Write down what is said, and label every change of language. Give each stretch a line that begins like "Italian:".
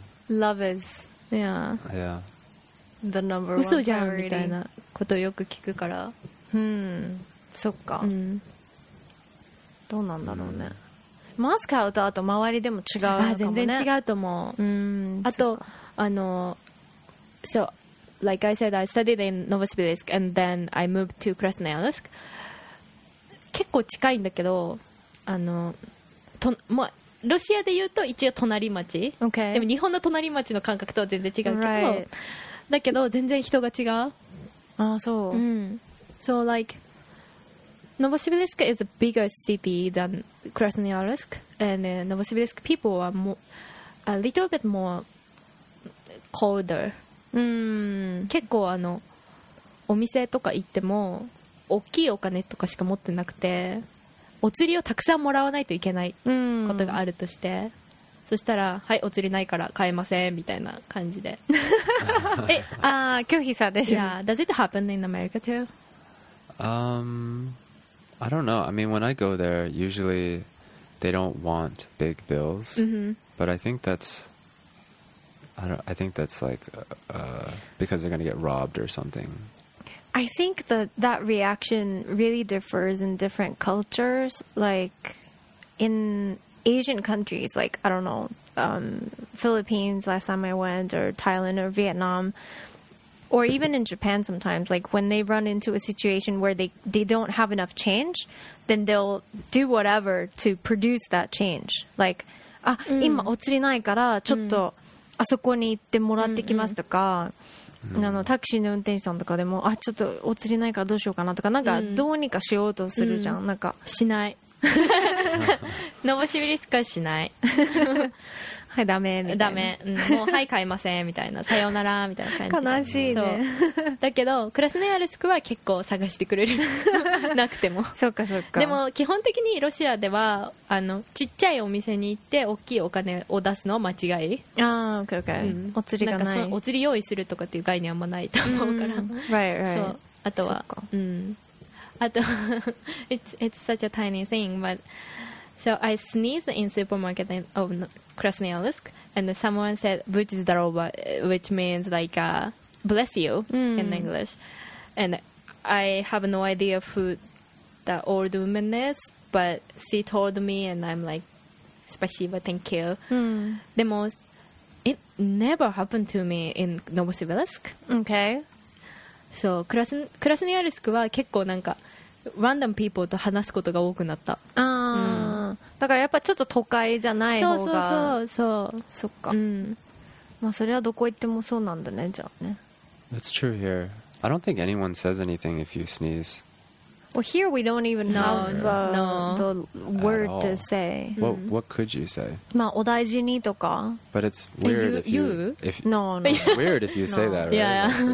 English: Love is the number one
Japanese: priority。嘘じゃんみたいなことよく聞くから。そっか。どうなんだろうね。マスカウとあと周りでも違うかもね。全然違うと思う。あとあの、
English: so like I said, I studied in Novosibirsk and then I moved to Krasnoyarsk。
Japanese: 結構近いんだけど、あのと、まあ、ロシアで言うと一応隣町。
English: Okay。
Japanese: でも日本の隣町の感覚とは全然違うけど、
English: right。
Japanese: だけど全然人が違う。ああ、そう。うん。So like。
English: Novosibirsk is a bigger city than Krasnoyarsk, and Novosibirsk people are more, a little bit more colder.
Japanese: 結構あのお店とか行っても大きいお金とかしか持ってなくて、お釣りをたくさんもらわないといけないことがあるとして、そしたらはいお釣りないから買えませんみたいな感じで、え、あ、拒否される。
English: Yeah, does it happen in America too? I don't know. I mean, when I go there, usually they don't want big bills. Mm-hmm. But I think that's, I think that's like because they're going to get robbed or something. I think that reaction really differs in different cultures. Like in Asian countries, like, I don't know, Philippines last time I went, or Thailand or Vietnam. Or even in Japan sometimes, like when they run into a situation where they don't have enough change, then they'll do whatever to produce that change. Like,
Japanese: あ、今お釣りないからちょっとあそこに行ってもらってきますとか、あのタクシーの運転手さんとかでも、あ、ちょっとお釣りないからどうしようかなとか、なんかどうにかしようとするじゃん。なんかしない。ノボシビリスカしない。はい、ダメみたいな、ダメ、うん、もうはい買いませんみたいな、さようならみたいな感じ。悲しいね。そうだけどクラスノヤルスクは結構探してくれる。なくても。そっかそっか。でも基本的にロシアではあのちっちゃいお店に行って大きいお金を出すのは間違い。ああ、 OKOK、okay, okay。 うん、お釣りがない、なんかお釣り用意するとかっていう概念はあんまないと思うから。
English: Right, right。そう、あとは、そっか、うん、あと、it's such a tiny thing, but so I sneezed in supermarket of Krasnoyarsk, and someone said
Russian: "Buch zdarova,"
English: which means like "bless you" in English. And I have no idea who the old woman is, but she told me, and I'm like,
Russian: "Спасибо,
English: thank you." The most, it never happened to me in Novosibirsk. Okay.
Japanese: そう、クラスニアルスクは結構なんかランダムピーポーと話すことが多くなった。あ、うん、だからやっぱちょっと都会じゃない方が、そうそうそうそう、そっか、うん、まあそれはどこ行ってもそうなんだね。じゃあね、
English: That's true here. I don't think anyone says anything if you sneeze. Well, here we don't even have the word to say. What could you say?
Japanese: まあお大事にとか。
English: But it's weird if you... No. It's weird if you say that, right? Yeah, yeah.